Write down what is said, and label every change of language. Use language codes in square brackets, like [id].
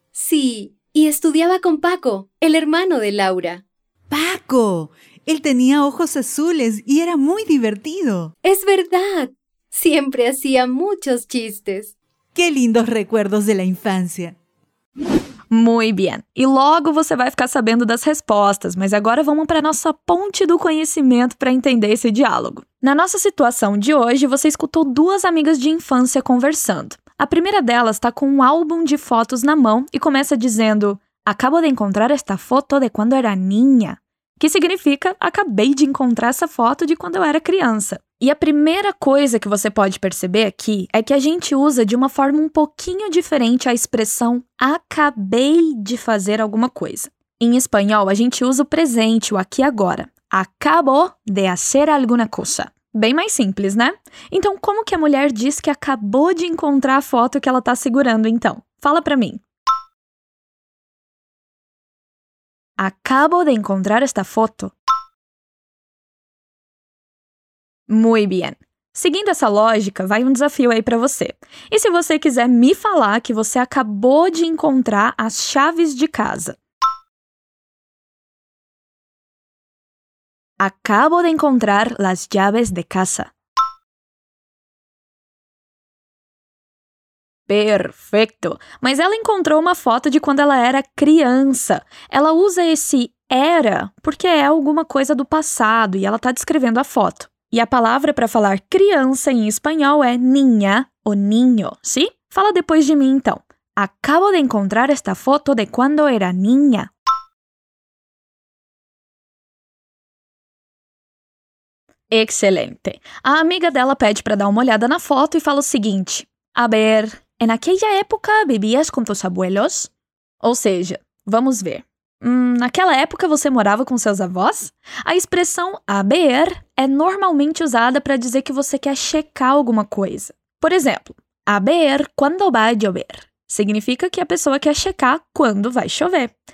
[es] Sí, y estudiaba con Paco, el hermano de Laura. ¡Paco! Él tenía ojos azules y era muy divertido. ¡Es verdad! Siempre hacía muchos chistes. ¡Qué lindos recuerdos de la infancia! Muy bien. [pt] E logo você vai ficar sabendo das respostas, mas agora vamos para a nossa ponte do conhecimento para entender esse diálogo. Na nossa situação de hoje, você escutou duas amigas de infância conversando. A primeira delas está com um álbum de fotos na mão e começa dizendo [es] "Acabo de encontrar esta foto de quando era niña", [pt] que significa "Acabei de encontrar essa foto de quando eu era criança". E a primeira coisa que você pode perceber aqui é que a gente usa de uma forma um pouquinho diferente a expressão acabei de fazer alguma coisa. Em espanhol, a gente usa o presente, o aqui e agora. [es] Acabo de hacer alguna cosa. [pt] Bem mais simples, né? Então, como que a mulher diz que acabou de encontrar a foto que ela está segurando, então? Fala pra mim. [es] Acabo de encontrar esta foto. Muy bien. [pt] Seguindo essa lógica, vai um desafio aí para você. E se você quiser me falar que você acabou de encontrar as chaves de casa? [es] Acabo de encontrar las llaves de casa. [pt] Perfeito! Mas ela encontrou uma foto de quando ela era criança. Ela usa esse era porque é alguma coisa do passado e ela está descrevendo a foto. E a palavra para falar criança em espanhol é niña ou niño, sim? Fala depois de mim, então. [es] Acabo de encontrar esta foto de cuando era niña. [pt] Excelente. A amiga dela pede para dar uma olhada na foto e fala o seguinte. [es] A ver, en aquella época vivías con tus abuelos? [pt] Ou seja, vamos ver. Naquela época você morava com seus avós? A expressão haber é normalmente usada para dizer que você quer checar alguma coisa. Por exemplo, haber quando vai chover. Significa que a pessoa quer checar quando vai chover.